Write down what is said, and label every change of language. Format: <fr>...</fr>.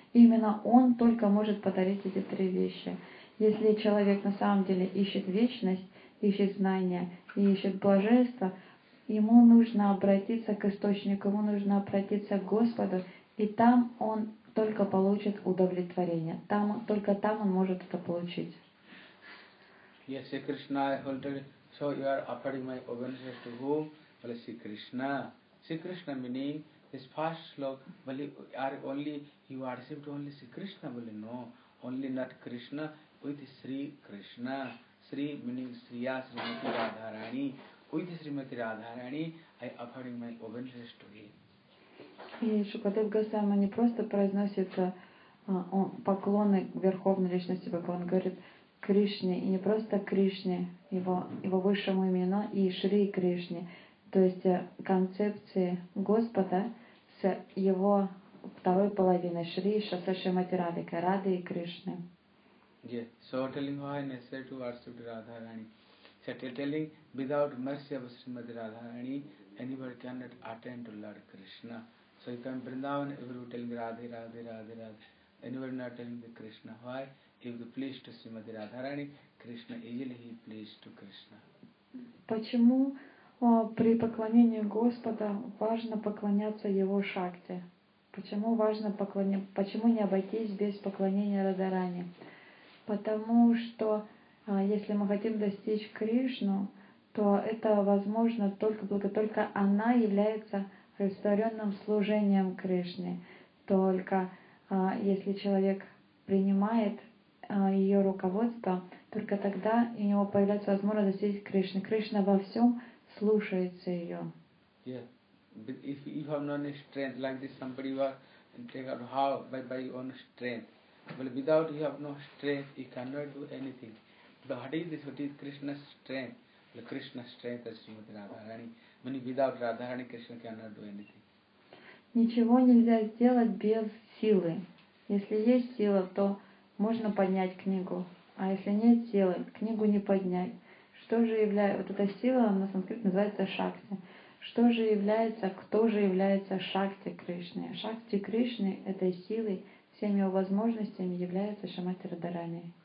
<ru>И именно Он только может подарить эти три вещи. Если человек на самом деле ищет вечность, ищет знания и ищет блаженство, ему нужно обратиться к источнику, ему нужно обратиться к Господу, и там он только получит удовлетворение. Там, только там он может это получить.</ru> <en>Yes, Krishna, I hold it. So you are offering my obeisances to whom? Well, Sri Krishna. Sri Krishna meaning this first slok, well, are only you worship only Sri Krishna, well, no, only not Krishna with Sri Krishna. Sri meaning Sriya, Srimati Radharani. With Srimati Radharani, I offering my obeisances to him.</en> <ru>И Шукадев Госвами не просто произносит поклоны Верховной Личности Бога, он говорит Кришне, и не просто Кришне, его высшему имени, но и Шри Кришне. То есть концепции Господа с его второй половиной, Шри Шасаши Матирадика, Рады и Кришны.</ru> <en>Yes, so telling how I necessary to worship Radharani. So telling, without mercy of Srimati Radharani, anybody cannot attend to Lord Krishna. So if I'm Vrindavan, everyone telling Radhe, Radhe, Radhe, Radhe. Anybody not telling the Krishna. Why? If the pleased to Srimati Radharani, Krishna easily he pleased to Krishna.</en> <ru>Почему при поклонении Господа важно поклоняться Его Шакте? Почему важно поклоняться? Почему не обойтись без поклонения Радхарани? Потому что если мы хотим достичь Кришну, то это возможно только благодаря, только она является растворенным служением Кришне. Только если человек принимает ее руководство, только тогда у него появляется возможность достичь Кришны. Кришна во всем слушается ее.</ru> <en>Yeah. If you have no strength, like this somebody was taken, how? By your own strength. Well, without you have no strength, you cannot do anything. But what is this? What is Krishna's strength? Well, Krishna's strength is Srimati Radharani. Meaning without Radharani, Krishna cannot do anything.</en> <ru>Ничего нельзя сделать без силы. Если есть сила, то можно поднять книгу. А если нет силы, книгу не поднять. Что же является... Вот эта сила на санскрите называется шакти. Что же является... Кто же является шакти Кришны? Шакти Кришны этой силой, всеми его возможностями является Шримати Радхарани.</ru>